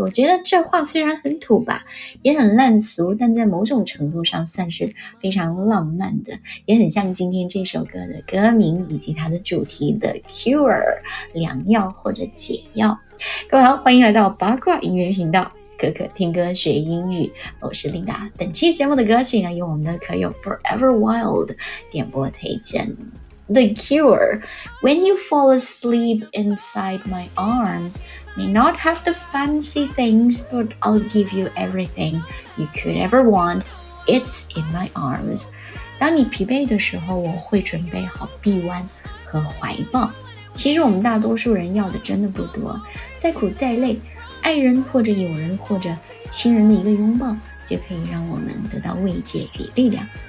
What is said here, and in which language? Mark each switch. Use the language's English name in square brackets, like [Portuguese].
[Chinese] 我觉得这话虽然很土吧，也很烂俗，但在某种程度上算是非常浪漫的，也很像今天这首歌的歌名以及它的主题 The Cure， 良药或者解药。各位好，欢迎来到八卦音乐频道，可可听歌学英语，我是琳达。本期节目的歌曲呢，由我们的可友 Forever Wild 点播推荐。 [English] The Cure， When you fall asleep inside my arms, may not have the fancy things, but I'll give you everything you could ever want. It's in my arms. [Chinese] 当你疲惫的时候，我会准备好臂弯和怀抱。其实我们大多数人要的真的不多，再苦再累，爱人或者友人或者亲人的一个拥抱就可以让我们得到慰藉与力量。